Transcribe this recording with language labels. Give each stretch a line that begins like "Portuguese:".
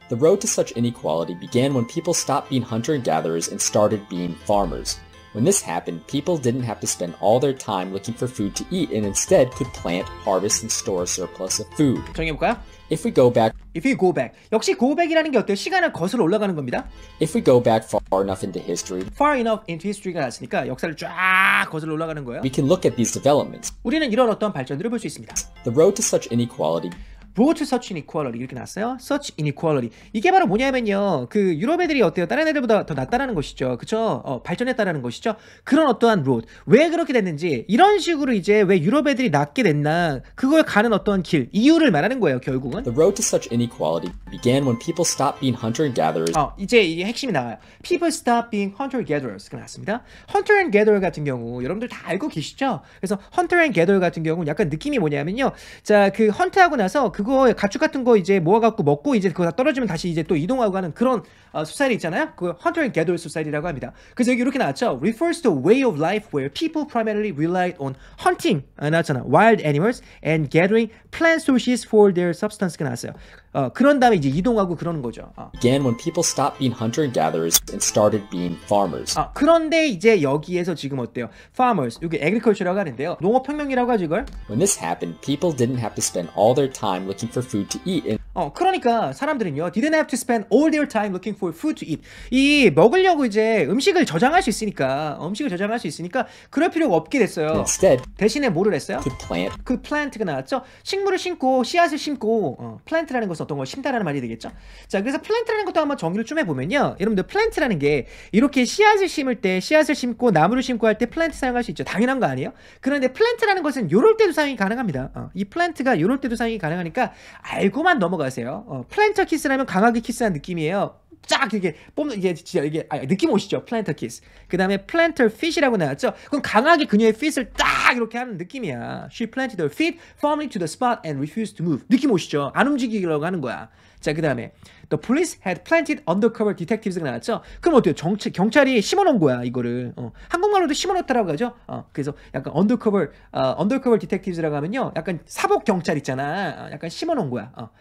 English: The road to such inequality began when people stopped being hunter and gatherers and started being farmers. When this happened, people didn't have to spend all their time looking for food to eat and instead could plant, harvest, and store a surplus of food.
Korean: 정리해볼까요?
English: If we go back. If we go back.
Korean: 역시 go back이라는 게 어때요? 시간을 거슬러 올라가는 겁니다.
English: If we go back far enough into history.
Korean: Far enough into history가 나왔으니까 역사를 쫙 거슬러 올라가는 거예요.
English: We can look at these developments.
Korean: 우리는 이런 어떤 발전들을 볼 수 있습니다.
English: The road to such inequality.
Korean: Road to such inequality 이렇게 나왔어요.
English: Such inequality.
Korean: 이게 바로 뭐냐면요. 그 유럽 애들이 어때요? 다른 애들보다 더 낫다라는 것이죠. 그렇죠? 발전했다라는 것이죠. 그런 어떠한 road. 왜 그렇게 됐는지 이런 식으로 이제 왜 유럽 애들이 낫게 됐나 그걸 가는 어떠한 길 이유를 말하는 거예요. 결국은. The road to such inequality began when people stopped being hunter and gatherers. 이제 이게 핵심이 나와요.
English: People stopped being hunter and gatherers.
Korean: 그 나왔습니다.
English: Hunter and gatherer 같은 경우 여러분들 다 알고 계시죠?
Korean: 그래서 hunter and gatherer 같은 경우는 약간 느낌이 뭐냐면요. 자, 그 헌트하고 나서 그거 가축 같은 거 이제 모아갖고 먹고 이제 그거 다 떨어지면 다시 이제 또 이동하고 가는 그런 소사이티 있잖아요. 그 hunter and gatherer society라고 합니다. 그래서 여기 이렇게 나왔죠.
English: Refers to a way of life where people primarily relied on hunting 나왔잖아. Wild animals and gathering plant sources for their substance가 나왔어요.
Korean: 그런 다음에 이제 이동하고 그러는 거죠.
English: Again, when people stopped being hunter and gatherers and started being farmers.
Korean: 그런데 이제 여기에서 지금 어때요? Farmers, 여기 agriculture라고 하는데요. 농업혁명이라고 하죠, 이걸?
English: When this happened, people didn't have to spend all their time looking for food to eat. And...
Korean: 그러니까 사람들은요,
English: didn't have to spend all their time looking for food to eat.
Korean: 이 먹으려고 이제 음식을 저장할 수 있으니까, 음식을 저장할 수 있으니까 그럴 필요가 없게 됐어요.
English: Instead,
Korean: 대신에 뭐를 했어요?
English: Could plant. Could plant가 나왔죠.
Korean: 식물을 심고, 씨앗을 심고, plant라는 것은 어떤 걸 심다라는 말이 되겠죠. 자, 그래서 plant라는 것도 한번 정의를 좀 해보면요, 여러분들 plant라는 게 이렇게 씨앗을 심을 때, 씨앗을 심고 나무를 심고 할 때 plant 사용할 수 있죠. 당연한 거 아니에요? 그런데 plant라는 것은 이럴 때도 사용이 가능합니다. 이 plant가 이럴 때도 사용이 가능하니까 알고만 넘어가세요. Planter kiss라면 강하게 키스한 느낌이에요. 쫙 이렇게 뽑는 이게 진짜 이게 느낌 오시죠? Planter kiss. 그 다음에 planter fit이라고 나왔죠. 그럼 강하게 그녀의 fit을 딱 이렇게 하는 느낌이야.
English: She planted her feet firmly to the spot and refused to move.
Korean: 느낌 오시죠? 안 움직이려고 하는 거야. 자, 그 다음에
English: the police had planted undercover detectives
Korean: 가 나왔죠. 그럼 어때요? 경찰이 심어놓은 거야 이거를. 한국말로도 심어놓다라고 하죠. 그래서 약간 undercover detectives라고 하면요, 약간 사복 경찰 있잖아. 약간 심어놓은 거야.